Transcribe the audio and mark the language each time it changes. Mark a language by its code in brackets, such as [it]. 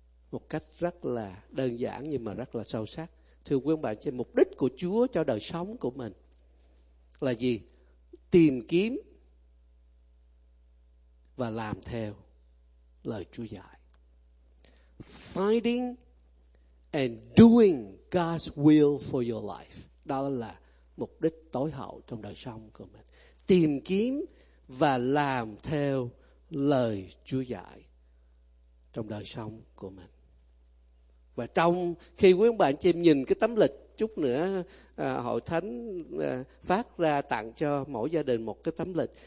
[vi] Một cách rất là đơn giản nhưng mà rất là sâu sắc. Thưa quý ông bà anh chị em, mục đích của Chúa cho đời sống của mình là gì? Tìm kiếm và làm theo lời Chúa dạy. [en] Finding and doing God's will for your life. [vi] Đó là mục đích tối hậu trong đời sống của mình. Tìm kiếm và làm theo lời Chúa dạy trong đời sống của mình. Và trong khi quý ông bà anh chị em nhìn cái tấm lịch, chút nữa Hội Thánh phát ra tặng cho mỗi gia đình một cái tấm lịch.